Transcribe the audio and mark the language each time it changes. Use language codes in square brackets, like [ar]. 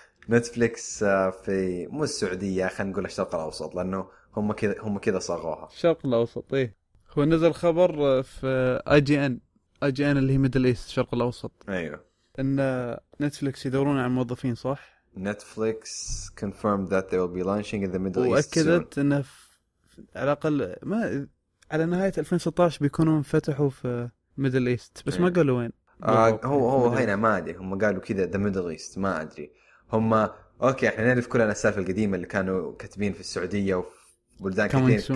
[ar] نتفليكس في مو السعودية خلينا نقول الشرق الأوسط لأنه هم كذا صاغوها. الشرق الأوسط إيه. هو نزل خبر في IGN IGN اللي هي ميدل إيست الشرق الأوسط. أيوة. إن نتفليكس يدورون على موظفين صح؟ [en] Netflix confirmed that they will be launching in the Middle East soon. [ar] وأكدت أن على الأقل ما على نهاية 2016 بيكونوا فتحوا في Middle East بس ما قالوا وين. هو هنا ما أدري هم قالوا كذا the Middle East ما أدري هم أوكي إحنا نعرف كلنا السالفة القديمة اللي كانوا كتبين في السعودية وبلدان كتير